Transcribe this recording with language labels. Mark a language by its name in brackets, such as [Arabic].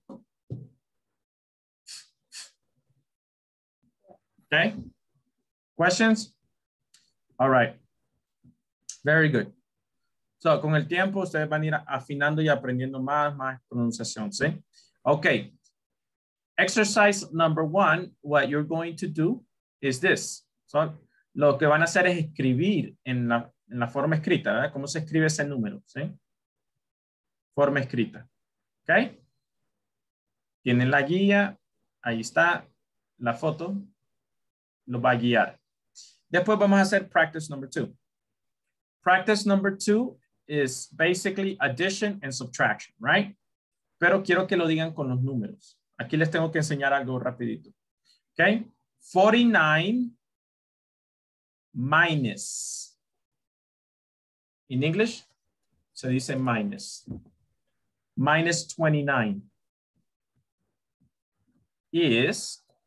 [English] Ok. Questions? All right. Very good. [Spanish] So, con el tiempo, ustedes van a ir afinando y aprendiendo más pronunciación, ¿sí? Ok. [English] Exercise number one, what you're going to do is this. [Spanish] So, lo que van a hacer es escribir en la forma escrita, ¿verdad? ¿Cómo se escribe ese número, sí? Forma escrita. ¿Ok? Tienen la guía. Ahí está la foto. Lo va a guiar. Después vamos a hacer [English] practice number two. Practice number two is basically addition and subtraction, right? [Spanish] Pero quiero que lo digan con los números. Aquí les tengo que enseñar algo rapidito. ¿Ok? 49 minus. [English] In English, [Spanish] se dice [English] minus. Minus 29 is...